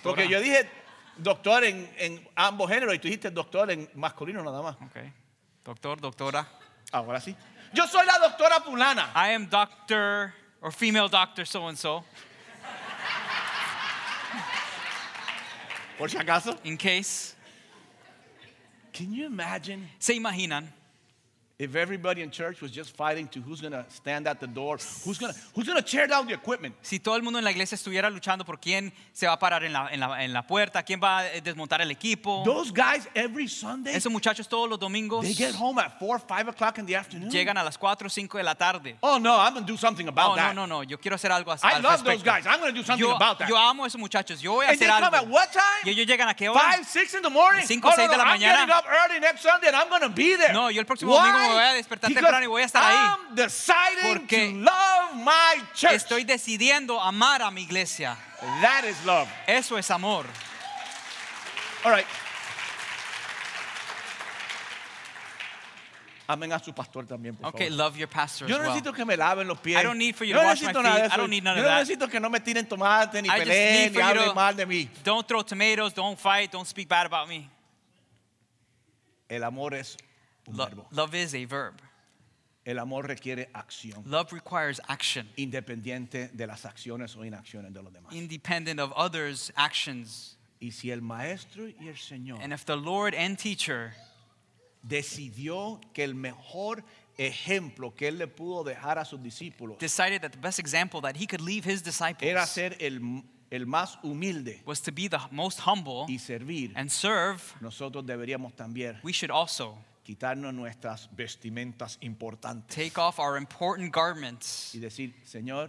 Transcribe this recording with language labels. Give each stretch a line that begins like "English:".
Spanish: Porque yo dije doctor en ambos géneros y tú dijiste doctor en masculino nada más.
English: Okay. Doctor, doctora.
Spanish: Ahora sí. Yo soy la doctora fulana.
English: I am doctor or female doctor so and so.
Spanish: Por si acaso. In case.
English: Can you imagine?
Spanish: Se imaginan.
English: If everybody in church was just fighting to who's going to stand at the door, who's going to tear down the equipment.
Spanish: Si todo el mundo en la iglesia estuviera luchando por quién se va a parar en la puerta, quién va a desmontar el equipo.
English: Those guys every Sunday.
Spanish: Esos muchachos todos los domingos.
English: They get home at 4 or 5 o'clock in the afternoon.
Spanish: Llegan a las 4 o 5 de la tarde.
English: Oh no, I'm going to do something about that.
Spanish: No, yo quiero hacer algo así.
English: I love those guys. I'm going to do something about that.
Spanish: Yo amo esos muchachos. Yo voy a hacer algo.
English: And they come at what time?
Spanish: Y ellos llegan a qué hora?
English: 5, 6 in the morning.
Spanish: 5 o 6 de la mañana.
English: I'm getting up early next Sunday and I'm going to be there.
Spanish: No, yo el próximo domingo. Voy a despertar temprano y voy a estar ahí.
English: I'm deciding to love my church.
Spanish: Estoy decidiendo amar a mi iglesia.
English: That is love.
Spanish: Eso es amor.
English: All right.
Spanish: Amen a su pastor también, por favor.
English: Okay, love your pastor as well.
Spanish: Yo no necesito que me laven los pies.
English: I don't need for you to wash my feet. I don't need none of that.
Spanish: Yo no necesito que no me tiren tomate ni peleen ni hablen mal de mí.
English: Don't throw tomatoes, don't fight, don't speak bad about me.
Spanish: El amor es
English: Love is a verb.
Spanish: El amor requiere acción.
English: Love requires action.
Spanish: Independiente de las acciones o inacciones de los demás.
English: Independent of others' actions.
Spanish: Y si el maestro y el señor.
English: And if the Lord and teacher
Spanish: decidió que el mejor ejemplo que él le pudo dejar a sus discípulos.
English: Decided that the best example that he could leave his disciples.
Spanish: Era ser el más humilde.
English: Was to be the most humble.
Spanish: Y servir.
English: And serve.
Spanish: Nosotros deberíamos también.
English: We should also.
Spanish: Quitarnos nuestras vestimentas importantes.
English: Take off our important garments.
Spanish: Y decir, Señor,